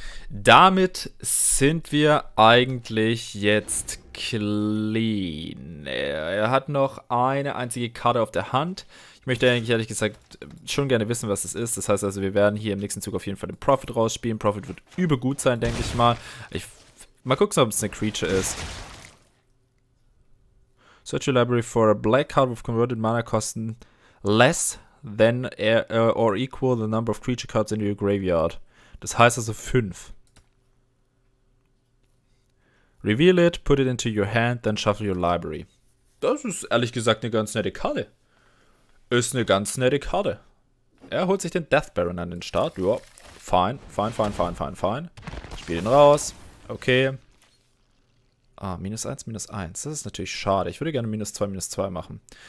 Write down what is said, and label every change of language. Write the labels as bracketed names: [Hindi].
[German] Damit sind wir eigentlich jetzt clean. Er hat noch eine einzige Karte auf der Hand. Ich möchte eigentlich ehrlich gesagt schon gerne wissen, was es ist. Das heißt also, wir werden hier im nächsten Zug auf jeden Fall den Prophet rausspielen. Prophet wird übel gut sein, denke ich mal. Mal gucken, ob es eine Creature ist. [English] Search your library for a black card with converted mana costs less than or equal the number of creature cards in your graveyard. [German] Das heißt also 5. [English] Reveal it, put it into your hand, then shuffle your library. [German] Das ist ehrlich gesagt eine ganz nette Karte. Ist eine ganz nette Karte. Er holt sich den Death Baron an den Start. Joa, fein, fein, fein, fein, fein, fein. Spiel ihn raus. Okay. Ah, minus 1, minus 1. Das ist natürlich schade. Ich würde gerne minus 2, minus 2 machen.